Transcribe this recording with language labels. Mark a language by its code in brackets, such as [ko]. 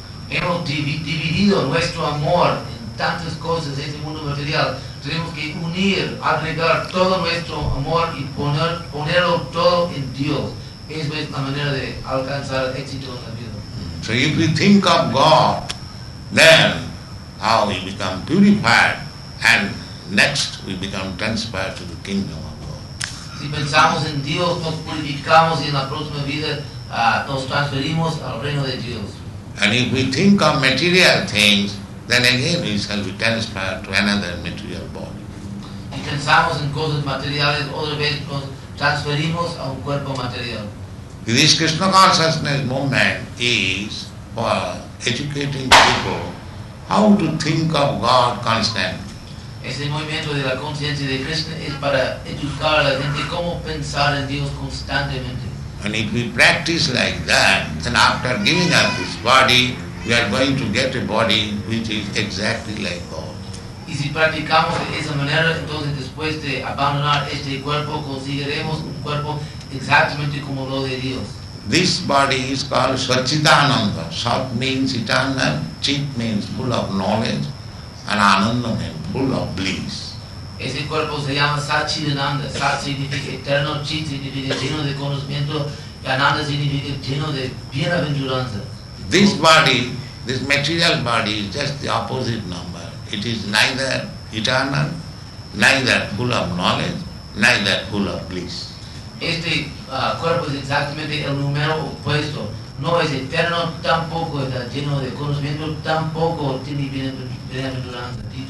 [es] Hemos dividido nuestro amor en tantas cosas en este mundo material. Tenemos que unir, agregar todo nuestro amor y ponerlo todo en Dios. Esa es la manera de alcanzar éxito en la vida. [en] So if we think of God, then how we become purified and next we become transferred to the kingdom of God. [es] Si pensamos en Dios, nos purificamos y en la próxima vida nos transferimos al reino de Dios. [en] And if we think of material things, then again we shall be transferred to another material body. [es] Si pensamos en cosas materiales, otra vez nos transferimos a un cuerpo material. [en] This Krishna consciousness movement is for educating people how to think of God constantly. [es] Ese movimiento de la conciencia de Krishna es para educar a la gente cómo pensar en Dios constantemente. [en] And if we practice like that, then after giving up this body, we are going to get a body which is exactly like God. [es] Y si practicamos de esa manera, entonces después de abandonar este cuerpo, conseguiremos un cuerpo exactamente como lo de Dios. [en] This body is called Svachidananda. Sat means eternal, chit means full of knowledge, and ananda means full of bliss. [es] Ese cuerpo se llama Svachidananda. Sat significa eterno, chit significa lleno de conocimiento, y ananda significa lleno de bienaventuranza. [en] This body, this material body, is just the opposite number. It is neither eternal, neither full of knowledge, neither full of bliss. [es] Este cuerpo es exactamente el número opuesto. No es eterno, tampoco está lleno de conocimiento, tampoco tiene bienaventuranza.